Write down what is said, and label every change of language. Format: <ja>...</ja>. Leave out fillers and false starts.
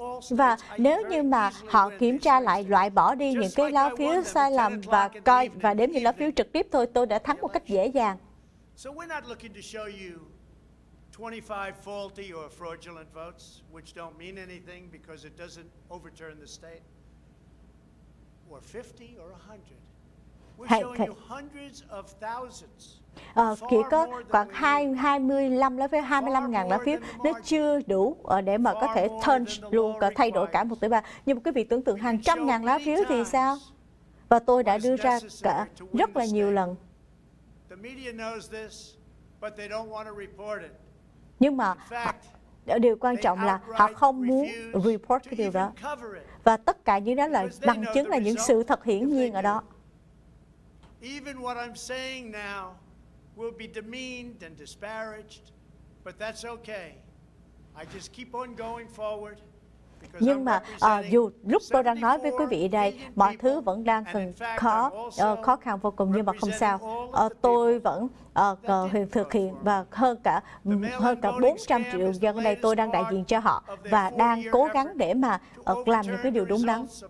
<vi>Và nếu như mà họ kiểm tra lại, loại bỏ đi những cái lá phiếu sai lầm và coi và đếm những lá phiếu trực tiếp thôi, tôi đã thắng một cách dễ dàng.</vi> <en>So we're not looking to show you 25 faulty or fraudulent votes, which don't mean anything because it doesn't overturn the state, or 50 or 100. We're showing you hundreds of thousands.</en> <vi>Chỉ có khoảng 25 lá phiếu, nó chưa đủ để mà có thể turn luôn, có thay đổi cả một tỷ ba. Nhưng mà quý vị tưởng tượng hàng trăm ngàn lá phiếu thì sao? Và tôi đã đưa ra cả rất là nhiều lần.</vi> <en>The media knows this, but they don't want to report it.</en> <vi>Nhưng mà điều quan trọng là họ không muốn report cái điều đó. Và tất cả những đó là bằng chứng, là những sự thật hiển nhiên ở đó.</vi> <en>Even what I'm saying now will be demeaned and disparaged, but that's okay. I just keep on going forward.</en> <vi>Nhưng mà dù lúc tôi đang nói với quý vị đây, mọi thứ vẫn đang còn khó khăn vô cùng, nhưng mà không sao. Tôi vẫn thực hiện và hơn cả 400 triệu dân ở đây tôi đang đại diện cho họ và đang cố gắng để mà làm những cái điều đúng đắn.</vi>